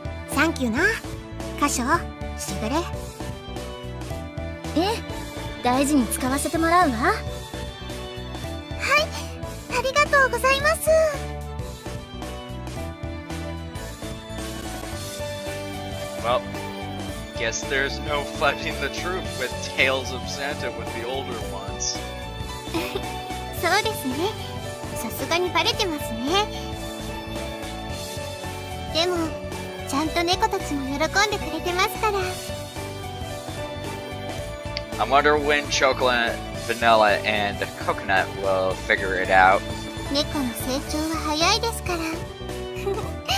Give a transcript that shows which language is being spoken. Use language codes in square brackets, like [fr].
[ja] サンキューな。歌唱、しぐれ。ええ、大事に使わせてもらうわ。はい、ありがとうございます。 [en] Well, guess there's no fudging the truth with tales of Santa with the older ones. [ja] そうですね。さすがにバレてますね。でも、ちゃんと猫たちも喜んでくれてますから。 [en] I wonder when Chocolate, Vanilla, and Coconut will figure it out. [ja] 猫の成長は早いですから。